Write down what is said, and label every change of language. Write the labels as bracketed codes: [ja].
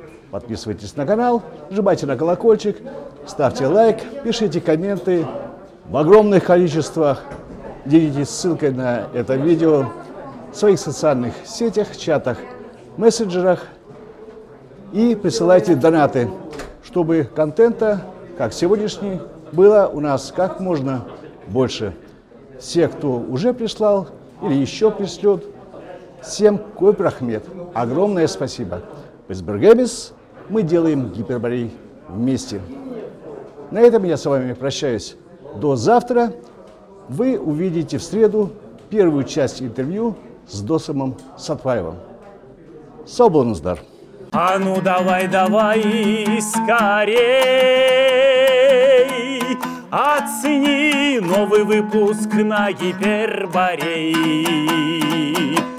[ru] Подписывайтесь на канал, нажимайте на колокольчик, ставьте лайк, пишите комменты в огромных количествах, делитесь ссылкой на это видео в своих социальных сетях, чатах, мессенджерах. И присылайте донаты, чтобы контента, как сегодняшний, было у нас как можно больше. Все, кто уже прислал или еще пришлет, всем [kk] Көп рахмет. [ru] Огромное спасибо. [kk] Біз біргеміз, [ru] мы делаем Гиперборей вместе. На этом я с вами прощаюсь до завтра. Вы увидите в среду первую часть интервью с Досымом Сатпаевым. [kk] Сау болыңыздар! [ru] А ну давай, давай скорей, оцени новый выпуск на Гиперборей.